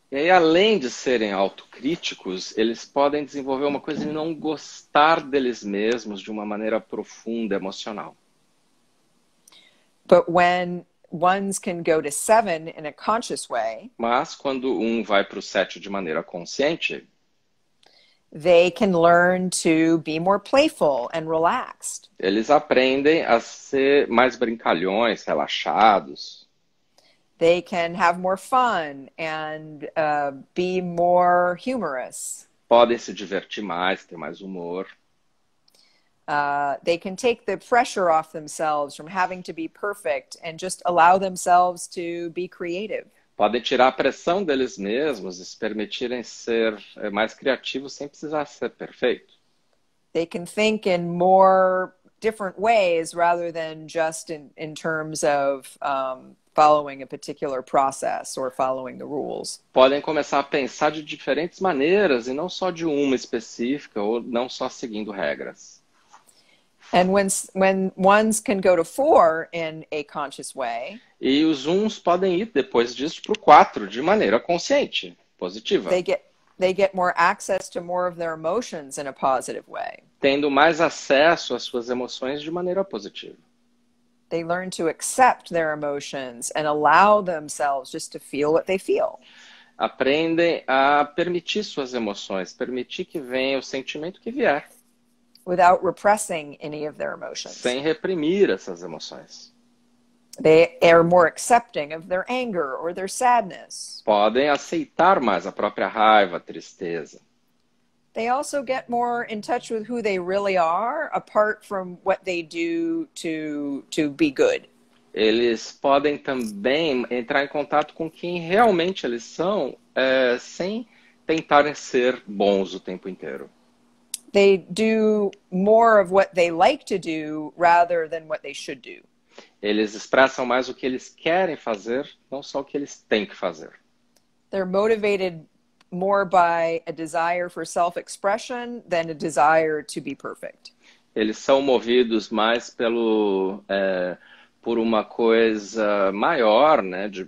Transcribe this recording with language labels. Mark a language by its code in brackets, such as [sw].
[pt] E aí, além de serem autocríticos, eles podem desenvolver uma coisa de não gostar deles mesmos de uma maneira profunda, emocional. [en] But when ones can go to seven in a conscious way, [pt] Mas quando um vai para o 7 de maneira consciente, [en] they can learn to be more playful and relaxed. [pt] eles aprendem a ser mais brincalhões, relaxados. [en] They can have more fun and be more humorous. [pt] Podem se divertir mais, ter mais humor. [en] They can take the pressure off themselves from having to be perfect and just allow themselves to be creative. [pt] Podem tirar a pressão deles mesmos e se permitirem ser mais criativos sem precisar ser perfeito. [en] They can think in more different ways rather than just in terms of following a particular process or following the rules. [pt] Podem começar a pensar de diferentes maneiras e não só de uma específica ou não só seguindo regras. [en] And when ones can go to four in a conscious way, [pt] E os uns podem ir depois disso para o 4 de maneira consciente, positiva. [en] they get more access to more of their emotions in a positive way. [pt] Tendo mais acesso às suas emoções de maneira positiva. [en] They learn to accept their emotions and allow themselves just to feel what they feel. [pt] Aprendem a permitir suas emoções, permitir que venha o sentimento que vier, [en] Without repressing any of their emotions. [pt] sem reprimir essas emoções. [en] They are more accepting of their anger or their sadness. [pt] Podem aceitar mais a própria raiva, a tristeza. [en] They also get more in touch with who they really are, apart from what they do to be good. [pt] eles podem também entrar em contato com quem realmente eles são, sem tentarem ser bons o tempo inteiro. [en] They do more of what they like to do rather than what they should do. [pt] Eles expressam mais o que eles querem fazer, não só o que eles têm que fazer. [en] They're motivated more by a desire for self-expression than a desire to be perfect. [pt] Eles são movidos mais por uma coisa maior, né?